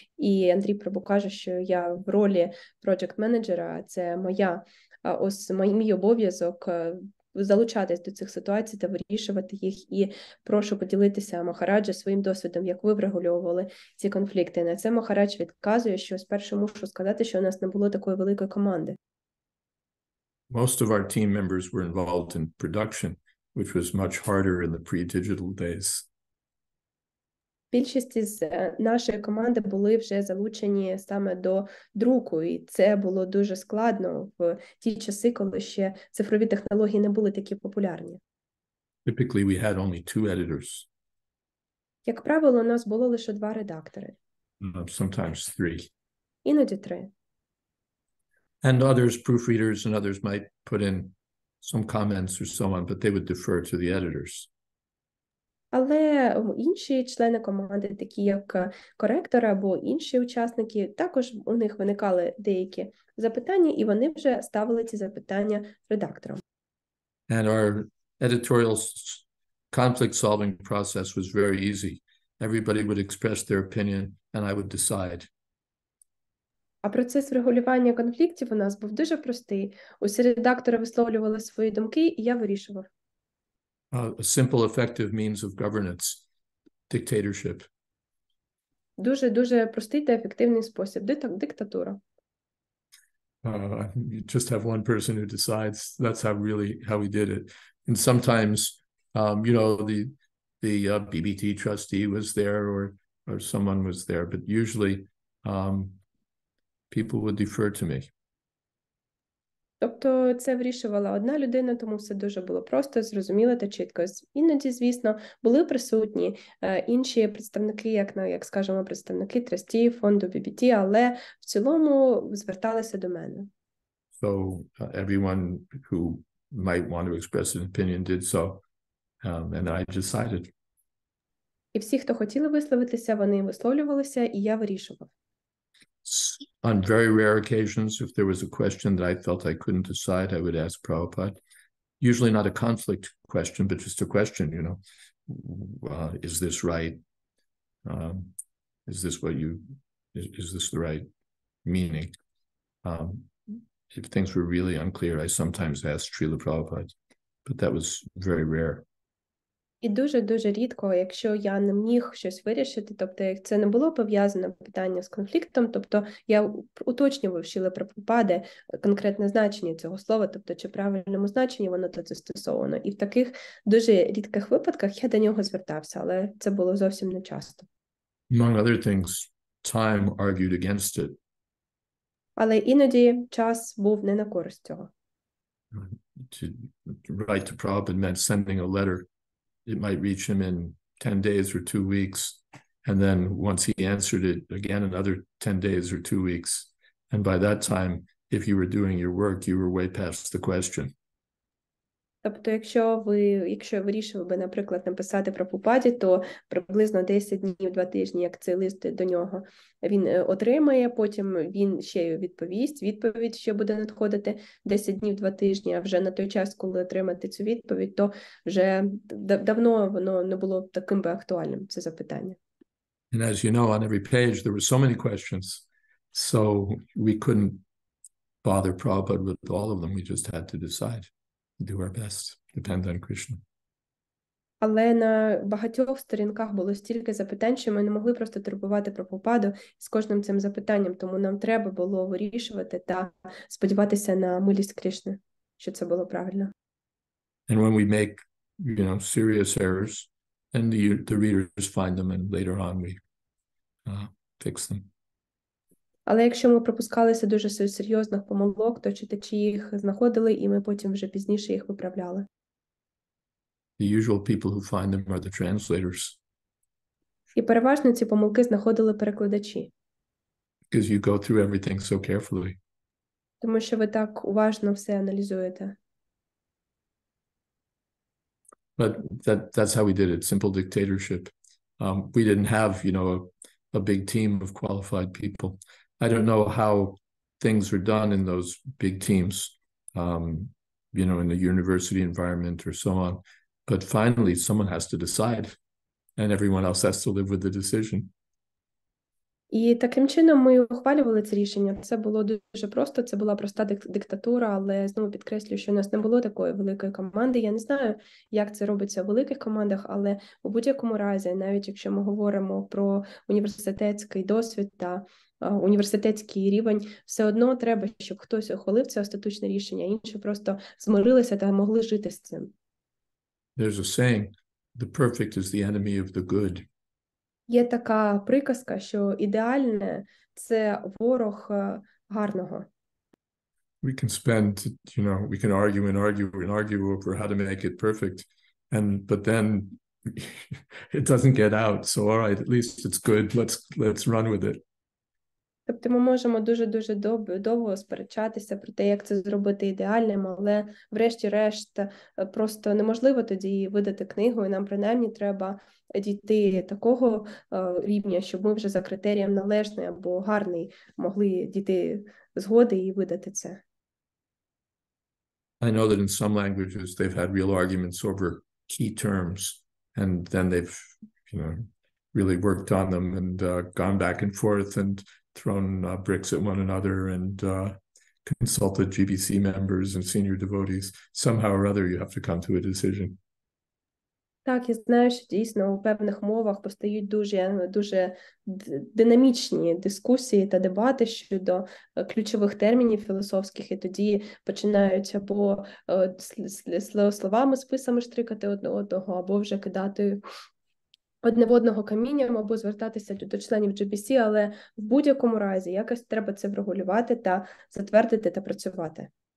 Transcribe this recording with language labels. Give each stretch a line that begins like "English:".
Ukrainian: І Андрій Прабу каже, що я в ролі проєкт-менеджера, це моя, ось мій обов'язок залучатись до цих ситуацій та вирішувати їх. І прошу поділитися Махараджа своїм досвідом, як ви врегульовували ці конфлікти. На це Махарадж відказує, що спершу мушу сказати, що у нас не було такої великої команди.
English: Most of our team members were involved in production, which was much harder in the pre-digital days.
Ukrainian: Більшість з нашої команди були вже залучені саме до друку, і це було дуже складно в ті часи, коли ще цифрові технології не були такі популярні.
English: Typically we had only two editors.
Ukrainian: Як правило, у нас було лише два редактори.
English: Sometimes three.
Ukrainian: Іноді три.
English: And others, proofreaders and others might put in some comments or so on, but they would defer to the editors.
Ukrainian: Але інші члени команди, такі як коректор або інші учасники, також у них виникали деякі запитання, і вони вже ставили ці запитання редакторам.
English: And our editorial conflict-solving process was very easy. Everybody would express their opinion, and I would decide.
Ukrainian: А процес регулювання конфліктів у нас був дуже простий. Усі редактори висловлювали свої думки, і я вирішував.
English: A simple, effective means of governance, dictatorship.
Ukrainian: Дуже-дуже простий та ефективний спосіб, диктатура.
English: You just have one person who decides. That's how we did it. And sometimes, you know, the BBT trustee was there or someone was there, but usually people would defer to me.
Ukrainian: Тобто це вирішувала одна людина, тому все дуже було просто, зрозуміло та чітко. Іноді, звісно, були присутні інші представники, як скажемо, представники Трасті, фонду BBT, але в цілому зверталися до мене.
English: So everyone who might want to express an opinion did so, and I decided.
Ukrainian: І всі, хто хотіли висловитися, вони висловлювалися, і я вирішував.
English: On very rare occasions, if there was a question that I felt I couldn't decide, I would ask Prabhupada. Usually not a conflict question, but just a question, you know. Is this right? Is this the right meaning? If things were really unclear, I sometimes asked Srila Prabhupada. But that was very rare.
Ukrainian: І дуже-дуже рідко, якщо я не міг щось вирішити, тобто це не було пов'язане питання з конфліктом, тобто я уточнював, що Шріла Прабхупади конкретне значення цього слова, тобто чи в правильному значенні воно тут застосовано. І в таких дуже рідких випадках я до нього звертався, але це було зовсім не часто.
English: Among other things, time argued against it.
Ukrainian: Але іноді час був не на користь цього.
English: Write to Prabhupada meant sending a letter. It might reach him in 10 days or 2 weeks. And then once he answered it, again, another 10 days or 2 weeks. And by that time, if you were doing your work, you were way past the question.
Ukrainian: Тобто, якщо вирішили би, наприклад, написати про Прабхупаді, то приблизно 10 днів, 2 тижні, як цей лист до нього він отримає, потім він ще й відповідь, що буде надходити 10 днів, 2 тижні, а вже на той час, коли отримати цю відповідь, то вже давно воно не було таким би актуальним, це запитання.
English: And as you know, on every page there were so many questions, so we couldn't bother Prabhupada with all of them, we just had to decide. Do our best, depend on Krishna.
Ukrainian: Але на багатьох сторінках було стільки запитань, що ми не могли просто турбувати Прабхупаду з кожним цим запитанням, тому нам треба було вирішувати та сподіватися на милість Кришни, що це було правильно.
English: And when we make, you know, serious errors, then the readers find them and later on we fix them.
Ukrainian: Але якщо ми пропускалися дуже серйозних помилок, то читачі їх знаходили, і ми потім вже пізніше їх виправляли.
English: The usual people who find them are the translators.
Ukrainian: І переважно ці помилки знаходили перекладачі.
English: Because you go through everything so carefully.
Ukrainian: Тому що ви так уважно все аналізуєте.
English: But that's how we did it, simple dictatorship. We didn't have, you know, a big team of qualified people. I don't know how things are done in those big teams, you know, in the university environment or so on. But finally, someone has to decide, and everyone else has to live with the decision.
Ukrainian: І таким чином ми ухвалювали це рішення. Це було дуже просто, це була проста диктатура, але знову підкреслюю, що у нас не було такої великої команди. Я не знаю, як це робиться у великих командах, але у будь-якому разі, навіть якщо ми говоримо про університетський досвід та університетський рівень, все одно треба, щоб хтось ухвалив це остаточне рішення, інші просто змирилися та могли жити з цим.
English: There's a saying, the perfect is the enemy of the good.
Ukrainian: Є така приказка, що ідеальне – це ворог гарного.
English: We can spend, you know, we can argue and argue and argue over how to make it perfect, but then it doesn't get out. So, all right, at least it's good. Let's run with it.
Ukrainian: Тобто ми можемо дуже-дуже довго сперечатися про те, як це зробити ідеальним, але врешті-решт просто неможливо тоді видати книгу, і нам принаймні треба дійти такого рівня, щоб ми вже за критерієм належний або гарний могли дійти згоди і видати це.
English: I know that in some languages they've had real arguments over key terms, and then they've, you know, really worked on them and gone back and forth and thrown bricks at one another and consulted GBC members and senior devotees. Somehow or other, you have to come to a decision.
Ukrainian: Так, я знаю, що дійсно у певних мовах постають дуже, дуже динамічні дискусії та дебати щодо ключових термінів філософських, і тоді починають або словами, списами штрикати одне одного, або вже кидати одне в одного камінням, або звертатися до членів GBC, але в будь-якому разі якось треба це врегулювати та затвердити та працювати.